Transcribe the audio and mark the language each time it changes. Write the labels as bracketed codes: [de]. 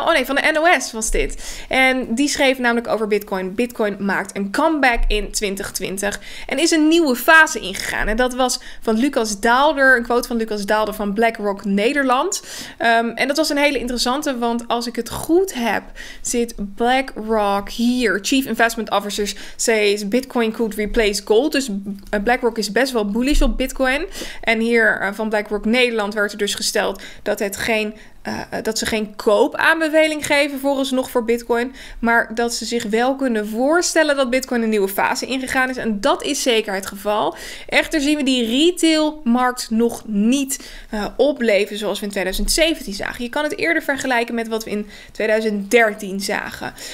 [nl] Oh nee, van de NOS was dit. En die schreef namelijk over Bitcoin. Bitcoin maakt een comeback in 2020 en is een nieuwe fase ingegaan. En dat was van Lucas Daal. Een quote van Lucas Daalder van BlackRock Nederland. En dat was een hele interessante, want als ik het goed heb, zit BlackRock hier. [en] Chief Investment Officer says Bitcoin could replace gold. [nl] Dus BlackRock is best wel bullish op Bitcoin. En hier van BlackRock Nederland werd er dus gesteld dat het geen dat ze geen koopaanbeveling geven volgens nog voor Bitcoin. Maar dat ze zich wel kunnen voorstellen dat Bitcoin een nieuwe fase ingegaan is. En dat is zeker het geval. Echter zien we die retailmarkt nog niet opleven zoals we in 2017 zagen. Je kan het eerder vergelijken met wat we in 2013 zagen.